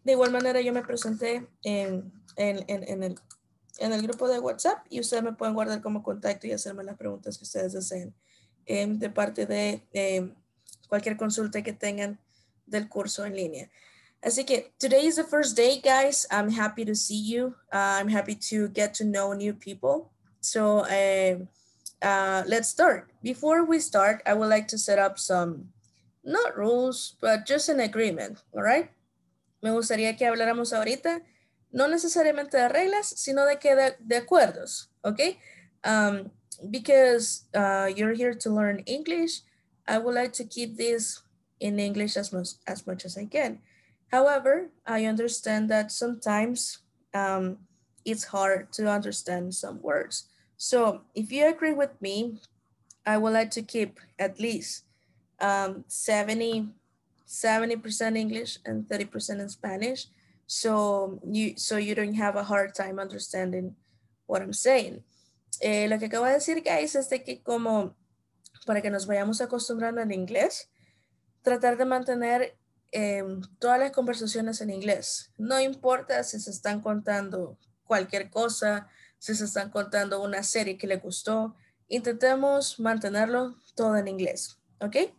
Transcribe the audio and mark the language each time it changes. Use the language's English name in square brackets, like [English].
[Spanish] De igual manera, yo me presenté en el grupo de WhatsApp y ustedes me pueden guardar como contacto y hacerme las preguntas que ustedes deseen de parte de cualquier consulta que tengan del curso en línea. Así que, [English] today is the first day, guys. I'm happy to see you. I'm happy to get to know new people. So, let's start. Before we start, I would like to set up some, not rules, but just an agreement, all right? [Spanish] Me gustaría que habláramos ahorita, no necesariamente de reglas, sino de acuerdos, okay? [English] Because you're here to learn English, I would like to keep this in English as much as I can. However, I understand that sometimes it's hard to understand some words. So if you agree with me, I would like to keep at least 70% English and 30% in Spanish. So you don't have a hard time understanding what I'm saying. [Spanish] Lo que acabo de decir, guys, es de que como para que nos vayamos acostumbrando al inglés, tratar de mantener todas las conversaciones en inglés. No importa si se están contando cualquier cosa, si se están contando una serie que le gustó, intentemos mantenerlo todo en inglés, ¿ok?